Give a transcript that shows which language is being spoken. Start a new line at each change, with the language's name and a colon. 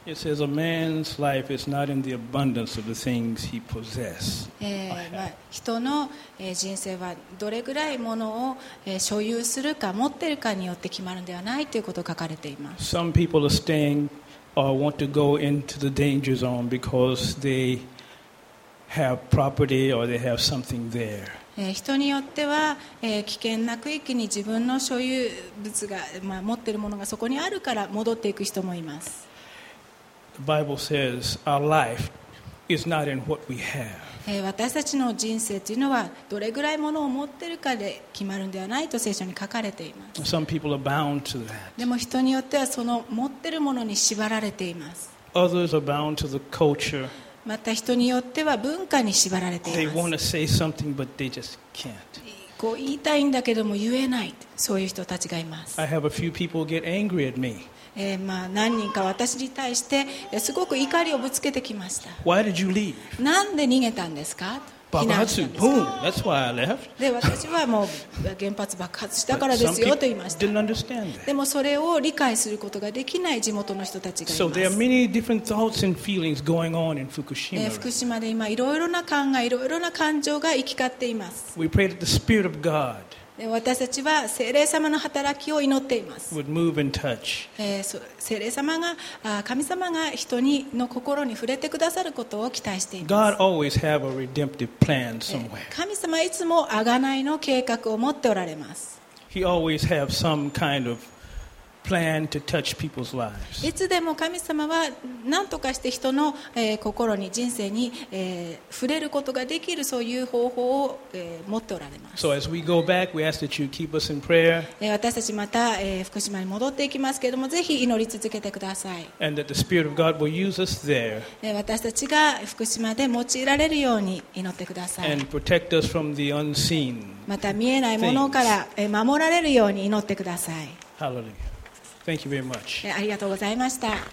English: It says, "A man's life is not in the abundance of the things he possesses."
Japanese: 人の人生はどれぐらいものを所有するか持ってるかによって決まるのではないということが書かれています。
English: Some people are staying want to go into the danger zone because they have property or they have something there.
Japanese: 人によっては危険な区域に自分の所有物が、まあ、持っているものがそこにあるから戻っていく人もいます。
English: The Bible says our life is not in what we have.
Japanese: 私たちの人生というのはどれぐらいものを持っているかで決まるのではないと聖書に書かれています。
English: Some people are bound to that.
Japanese: でも人によってはその持っているものに縛られています。
English: Others are bound to the culture.
Japanese: また人によっては文化に縛られています。
English: They want to say something, but they just can't.
Japanese: こう言いたいんだけども言えない、そういう人たちがいます。
English: I have a few people get angry at me.
Japanese: まあ、何人か私に対してすごく怒りをぶつけてきました。
English: Why did you leave?
Japanese: なんで逃げたんですか？
English: Babatsu, boom, that's why I left.
Japanese: で私はもう原発爆発したからですよと言いました。
English: didn't understand that.
Japanese: でもそれを理解することができない地元の人たちがいます。
English: So there are many different thoughts and feelings going on in Fukushima.
Japanese: 福島で今いろいろな考え、いろいろな感情が行き交っています。
English: We pray that the Spirit of God.
Japanese: 私たちは聖霊様の働きを祈っています。
English: Would move and touch.
Japanese: 聖霊様が、神様が人にの心に触れてくださることを期待しています。
English: God always have a redemptive plan somewhere.
Japanese: 神様はいつも贖いの計画を持っておられます。
English: He always have some kind of plan to touch people's lives.
Japanese: いつでも神様は何とかして人の、心に、人生に、触れることができる、そういう方法を、持っておられます。
English: So as we go back, we ask that you keep us in prayer.
Japanese: 私たちまた、福島に戻っていきますけれども、ぜひ祈り続けてください。
English: And that the Spirit of God will use us there.
Japanese: 私たちが福島で用いられるように祈ってください。
English: And protect us from the unseen.
Japanese: また見えないものから、守られるように祈ってください。
English: Hallelujah. Thank you very much.
Japanese: ありがとうございました。